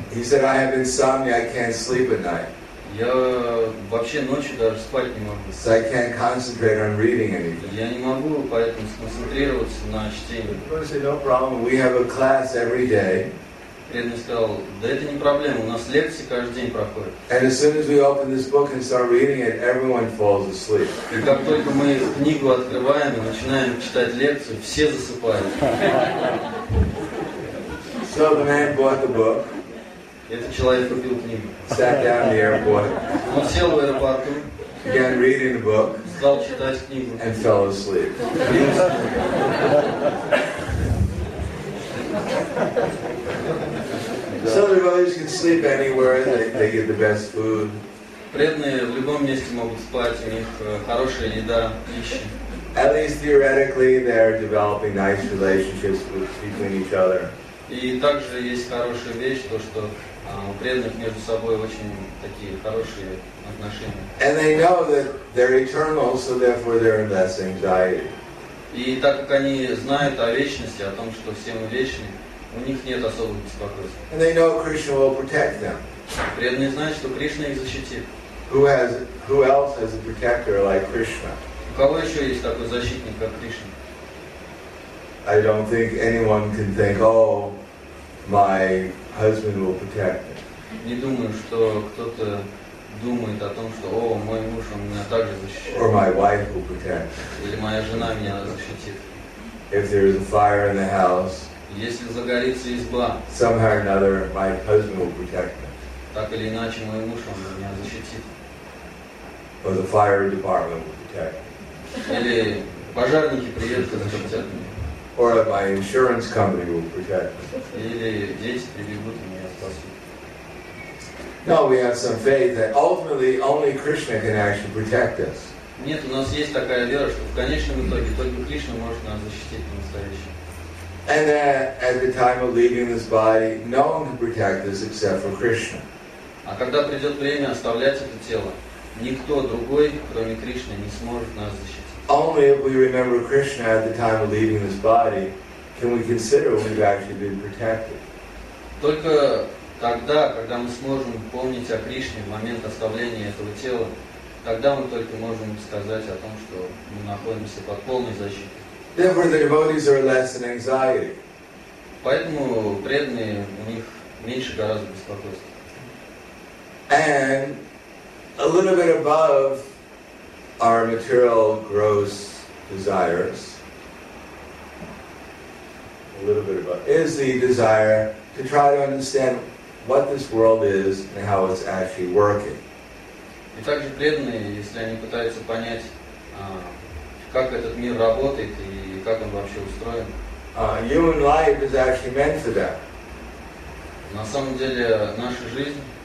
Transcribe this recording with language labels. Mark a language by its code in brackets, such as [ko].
[en] He said, "I have insomnia. I can't sleep at night." [ru] Я вообще ночью даже спать не могу. [en] So I can't concentrate on reading anything. [ru] Я не могу поэтому сконцентрироваться на чтении. [en] Of course, no problem. We have a class every day. [ru] Преданный сказал, да это не проблема, у нас лекции каждый день проходят. [en] And as soon as we open this book and start reading it, everyone falls asleep. [ru] И как только мы книгу открываем и начинаем читать лекцию, все засыпают. [en] So the man bought the book. [ru] Этот человек купил книгу. [en] Sat down in the airport. [ru] Он сел в аэропорту. [en] Began reading the book. [ru] Стал читать книгу. [en] And fell asleep. So the devotees can sleep anywhere. They get the best food. [ru] Преданные в любом месте могут спать. У них хорошая еда, пища. [en] At least theoretically, they are developing nice relationships between each other. [ru] И также есть хорошая вещь то, что у преданных между собой очень такие хорошие отношения. [en] And they know that they're eternal, so therefore they're in less anxiety. [ru] И так как они знают о вечности, о том, что все мы вечны. У них нет особого беспокойства. [en] And they know Krishna will protect them. [ru] Преданные знают, что Кришна их защитит. [en] Who else has a protector like Krishna? [ru] У кого еще есть такой защитник, как Кришна? [en] I don't think anyone can think, oh, my husband will protect me. [ru] Не думаю, что кто-то думает о том, что, о, мой муж, он меня также защитит. [en] Or my wife will protect me. [ru] Или моя жена меня защитит. [en] If there is a fire in the house, [ru] если загорится изба, [en] somehow or another, my husband will protect me. [ru] Так или иначе, мой муж он меня защитит. [en] Or the fire department will protect me. [ru] Или пожарники приедут и защитят меня. [en] Or my insurance company will protect me. [ru] Или дети прибегут и меня спасут. [en] No, we have some faith that ultimately only Krishna can actually protect us. [ru] Нет, у нас есть такая вера, что в конечном итоге только Кришна может нас защитить по-настоящему. [en] And that at the time of leaving this body, no one can protect us except for Krishna. [ru] А когда придет время оставлять это тело, никто другой, кроме Кришны, не сможет нас защитить. [en] Only if we remember Krishna at the time of leaving this body, can we consider we've actually been protected. [ru] Только тогда, когда мы сможем помнить о Кришне в момент оставления этого тела, тогда мы только можем сказать о том, что мы находимся под полной защитой. [en] Therefore, the devotees are less in anxiety. [ru] Поэтому преданные у них меньше гораздо беспокойства. [en] And a little bit above our material gross desires, a little bit above, is the desire to try to understand what this world is and how it's actually working. [ru] И также преданные, если они пытаются понять, как этот мир работает и как он вообще устроен. [en] Human life is actually meant for that. [ru] На самом деле, наша жизнь...